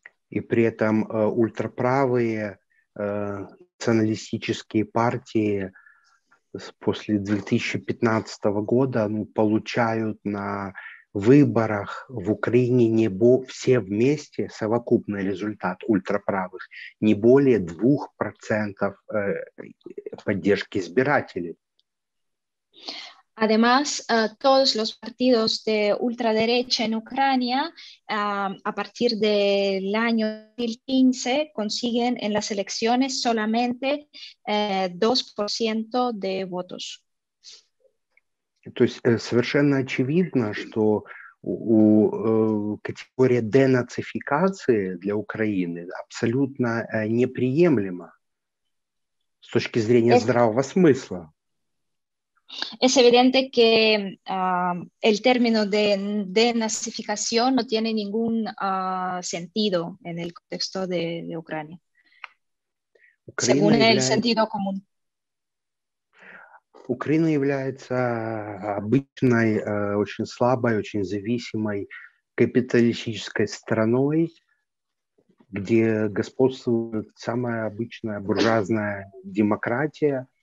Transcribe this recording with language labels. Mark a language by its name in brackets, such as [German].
[Russian] И при этом ультраправые националистические партии после 2015 года получают на выборах в Украине все вместе совокупный результат ультраправых не более 2% поддержки избирателей. [Spanish] Además, todos los partidos de ultraderecha en Ucrania, a partir del año 2015, consiguen en las elecciones solamente 2% de votos. [Russian] То есть совершенно очевидно, что категория денацификации для Украины абсолютно неприемлема с точки зрения здравого смысла. [Spanish] Es evidente que el término de denazificación no tiene ningún sentido en el contexto de Ucrania. Según el sentido común. [Russian] Украина является обычной, очень слабой, очень зависимой капиталистической страной, где господствует самая обычная буржуазная демократия.